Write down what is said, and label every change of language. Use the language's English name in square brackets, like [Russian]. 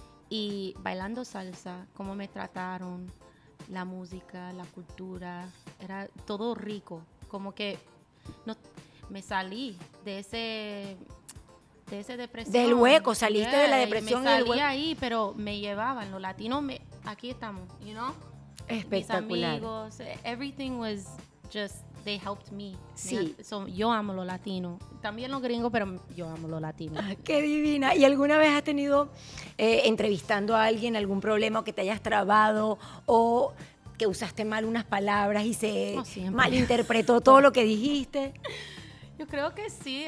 [Spanish] Y bailando salsa, cómo me trataron, la música, la cultura, era todo rico. Como que no, me salí de ese depresión. Del hueco, saliste de la depresión. Me salí ahí, pero me llevaban. Los latinos, aquí estamos, [English] you know? [Spanish] Espectacular. Mis amigos, [English] everything was just, they helped me. [Spanish] Sí. Yo amo los latinos. También los gringos, pero yo amo los latinos. ¡Qué divina! ¿Y alguna vez has tenido, entrevistando a alguien, algún problema que te hayas trabado o... que usaste mal unas palabras y se malinterpretó todo lo que dijiste? Yo creo que sí.